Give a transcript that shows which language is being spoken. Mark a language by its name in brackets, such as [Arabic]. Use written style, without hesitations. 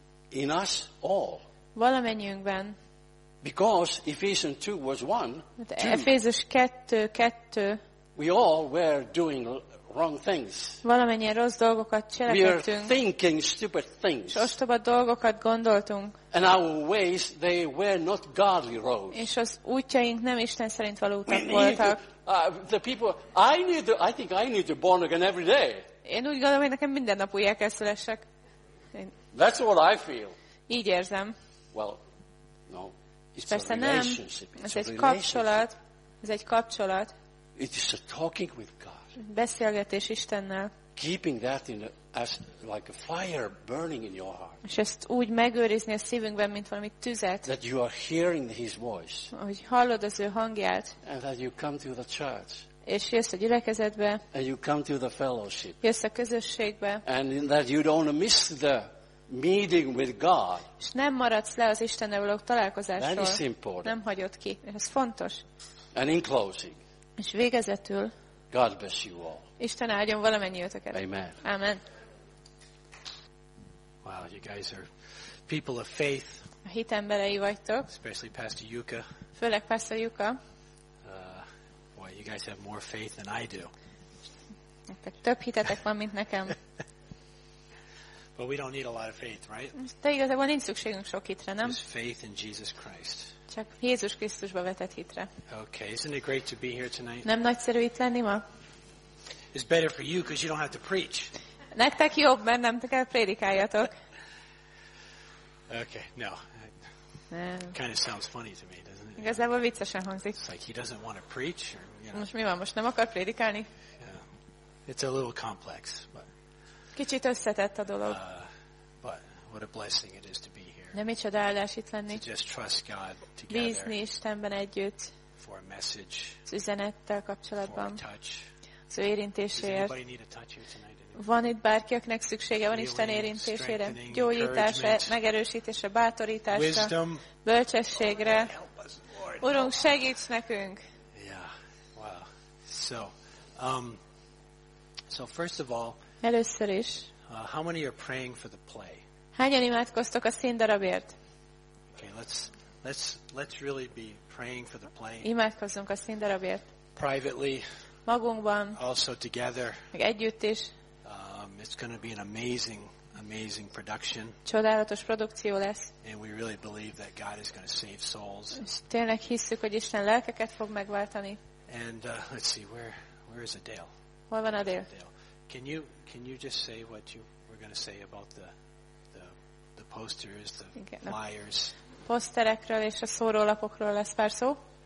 [English] In us all. [Hungarian] Valamennyünkben. [English] Because Ephesians 2 was 1. [Hungarian] Efézus 2:2. [English] We all were doing wrong things. [Hungarian] Valamennyien rossz dolgokat cselekedtünk. [English] We are thinking stupid things. [Hungarian] Ostoba dolgokat gondoltunk. [English] And our ways they were not godly roads. [Hungarian] És az útjaink nem Isten szerint való utak voltak. [English] I think I need to born again every day. [Hungarian] Én úgy gondolom, hogy nekem minden nap újjá kell szülessek. [English] That's what I feel. [Hungarian] Így érzem. [English] Well, no. It's [Hungarian] persze a nem. [English] It's [Hungarian] ez egy kapcsolat. Ez egy kapcsolat. [English] It is a talking with God. [Hungarian] Beszélgetés Istennel. [English] Keeping that in as like a fire burning in your heart. [Hungarian] És ezt úgy megőrizni a szívünkben, mint valami tüzet. [English] That you are hearing his voice. [Hungarian] Hogy hallod az ő hangját. [English] And that you come to the church. [Hungarian] És jössz a gyülekezetbe. [English] And you come to the fellowship. [Hungarian] Jössz a közösségbe. [English] And that you don't miss the meeting with God. [Hungarian] És nem maradsz le az Istennel való találkozásról. [English] That is important. [Hungarian] Nem hagyod ki. Ez fontos. [English] And in closing. [Hungarian] És végezetül. [English] God bless you all. [Hungarian] Isten áldjon valamennyiőtöket. [English] Amen. [Hungarian] Amen. [English] Wow, you guys are people of faith. [Hungarian] A hit emberei vagytok. [English] Especially Pastor Yuka. [Hungarian] Főleg Pastor Yuka. [English] Boy, you guys have more faith than I do. [Hungarian] Nektek több hitetek van, mint nekem. [English] But we don't need a lot of faith, right? [Hungarian] De igazából nincs szükségünk sok hitre, nem? [English] Just faith in Jesus Christ. [Hungarian] Csak Jézus Krisztusba vetett hitre. [English] Okay, isn't it great to be here tonight? [Hungarian] Nem nagyszerű itt lenni ma? [English] It's better for you because you don't have to preach. [Hungarian] Nektek jobb, mert nem kell prédikáljatok. [English] Okay, no. Kind of sounds funny to me, doesn't it? [Hungarian] Igazából viccesen hangzik. [English] It's like he doesn't want to preach. Or, you know. [Hungarian] Most mi van? Most nem akar prédikálni? [English] Yeah. It's a little complex, but. [Hungarian] Kicsit összetett a dolog. [English] But what a blessing it is to be here. [Hungarian] De mit csodálás itt lenni. [English] To just trust God together. [Hungarian] Bízni Istenben együtt. [English] For a message. [Hungarian] Az üzenettel kapcsolatban. [English] For a touch. [Hungarian] Az ő érintéséért. [English] Does anybody need a touch here tonight? [Hungarian] Van itt bárki, akinek szüksége van Isten érintésére, gyógyításra, megerősítésre, bátorításra, [English] wisdom, [Hungarian] bölcsességre. Urunk, segíts nekünk! [English] Yeah. Wow. So, so first of all, [Hungarian] először is, [English] how many are praying for the play? [Hungarian] Hányan imádkoztok a színdarabért? [English] Okay, let's really be praying for the play. [Hungarian] Imádkozzunk a színdarabért. [English] Privately. [Hungarian] Magunkban. [English] Also together. [Hungarian] Meg együtt is. [English] It's going to be an amazing production. [Hungarian] Csodálatos produkció lesz. [English] And we really believe that God is going to save souls. [Hungarian] Tényleg hisszük, hogy Isten lelkeket fog megváltani. [English] And let's see, where is Adele? [Hungarian] Hol van Adele? [English] Can you just say what you were going to say about the posters, the flyers? [Hungarian] Poszterekről és a szórólapokról lesz pár szó.